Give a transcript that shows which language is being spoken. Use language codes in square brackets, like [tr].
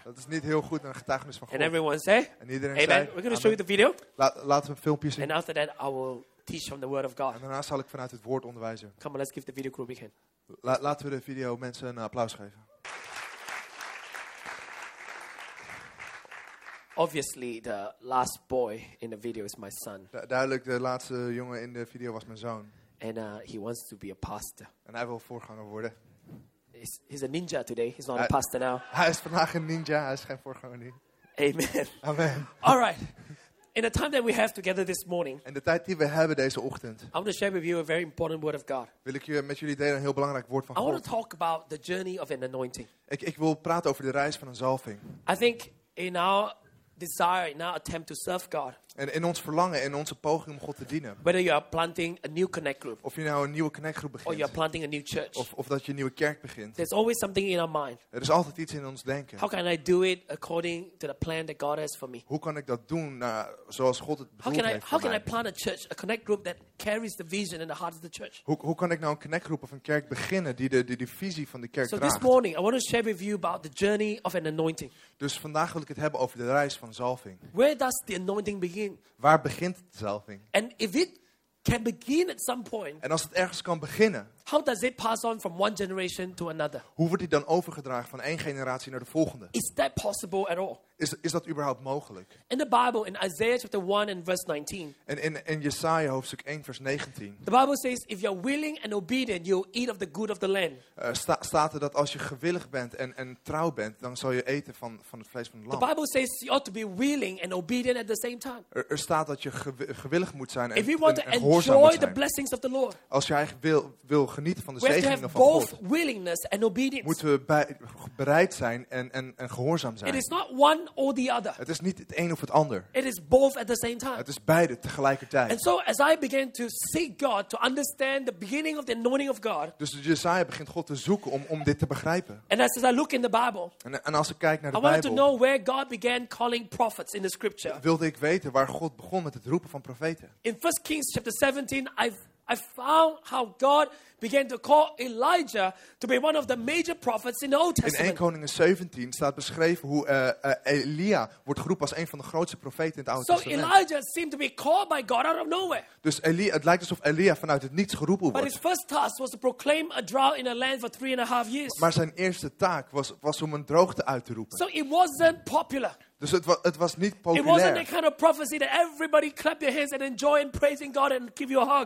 [nl] Dat is niet heel goed naar een getuigenis van God. [en] And everyone say, [nl] en iedereen amen. Zei, [en] amen. We're going to show you the video. [nl] Laten we een filmpje zien. [en] And after that I will teach from the word of God. [nl] En daarna zal ik vanuit het woord onderwijzen. [en] Come on, let's give the video crew a big hand. [nl] Laten we de video mensen een applaus geven. [en] Obviously, the last boy in the video is my son. [nl] Duidelijk, de laatste jongen in de video was mijn zoon. [en] And he wants to be a pastor. [nl] En hij wil voorganger worden. [en] He's a ninja today. He's not a pastor now. [nl] Hij is vandaag een ninja. Hij is geen voorganger nu. [en] Amen. [nl] Amen. [en] All right. In the time that we have together this morning, [nl] en de tijd die we hebben deze ochtend, [en] I want to share with you a very important word of God. [nl] Wil ik met jullie delen een heel belangrijk woord van God. [en] I want to talk about the journey of an anointing. [nl] Ik wil praten over de reis van een zalving. [en] I think in our desire, in our attempt to serve God. [nl] En in ons verlangen, in onze poging om God te dienen. [en] Whether you are planting a new connect group, [nl] of je nou een nieuwe connect group begint, [en] or you are planting a new church, [nl] of dat je een nieuwe kerk begint. [en] There's always something in our mind. [nl] Er is altijd iets in ons denken. [en] How can I do it according to the plan that God has for me? [nl] Hoe kan ik dat doen zoals God het bedoeld heeft voor mij? [en] How can I plant a church, a connect group that carries the vision and the heart of the church? [nl] Hoe kan ik nou een connect group of een kerk beginnen die de visie van de kerk [en] so [nl] draagt? [en] This morning I want to share with you about the journey of an anointing. [nl] Dus vandaag wil ik het hebben over de reis van zalving. [en] Where does the anointing begin? [nl] Waar begint de zalving? [en] And if it can begin at some point. [nl] En als het ergens kan beginnen. [en] How does it pass on from one generation to another? [nl] Hoe wordt die dan overgedragen van één generatie naar de volgende? [en] Is that possible at all? [nl] Is dat überhaupt mogelijk? [en] In the Bible, in Isaiah chapter 1 and verse 19. [nl] En in Jesaja hoofdstuk 1 vers 19. [en] The Bible says, if you're willing and obedient, you'll eat of the good of the land. [nl] Staat er dat als je gewillig bent en trouw bent, dan zal je eten van het vlees van het land. [en] The Bible says you ought to be willing and obedient at the same time. [nl] Er staat dat je gewillig moet zijn en gehoorzaam moet zijn. [en] If you want to enjoy the blessings of the Lord. [nl] Als je eigenlijk wil genieten van de zegeningen van God. [en] We have both willingness and obedience. [nl] Moeten we bereid zijn en gehoorzaam zijn. [en] It is not one or the other. [nl] Het is niet het een of het ander. [en] It is both at the same time. [nl] Het is beide tegelijkertijd. [en] And so as I began to seek God to understand the beginning of the anointing of God. [nl] Dus Jesaja begint God te zoeken om dit te begrijpen. [en] And as I look in the Bible. [nl] En als ik kijk naar de Bijbel. [en] I wanted to know where God began calling prophets in the scripture. [nl] Wilde ik weten waar God begon met het roepen van profeten. [en] In 1 Kings chapter 17 I found how God began to call Elijah to be one of the major prophets in the Old Testament. [nl] In 1 Koningen 17 staat beschreven hoe Elia wordt geroepen als een van de grootste profeten in het Oude Testament. [en] So Elijah seemed to be called by God out of nowhere. [nl] Dus het lijkt alsof Elia vanuit het niets geroepen wordt. [en] But his first task was to proclaim a drought in a land for 3.5 years. [nl] Maar zijn eerste taak was om een droogte uit te roepen. [en] So it wasn't popular. [nl] Dus het was niet populair. [en] It wasn't the kind of prophecy that everybody clap your hands and enjoy and praising God and give you a hug.